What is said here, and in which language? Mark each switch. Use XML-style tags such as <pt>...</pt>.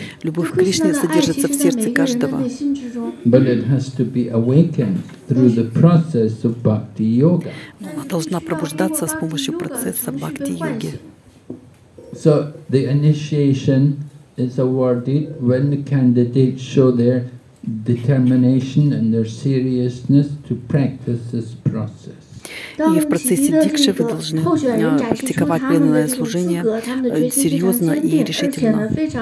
<ru>Любовь к Кришне содержится в сердце каждого.</ru> <en>But it has to be awakened through the process of bhakti yoga.</en> <ru>Она должна пробуждаться с помощью процесса бхакти йоги.</ru> <en>So the initiation is awarded when the candidates show their determination and their seriousness to practice this process.</en> <ru>И в процессе дикши вы должны практиковать преданное служение серьезно и решительно.</ru>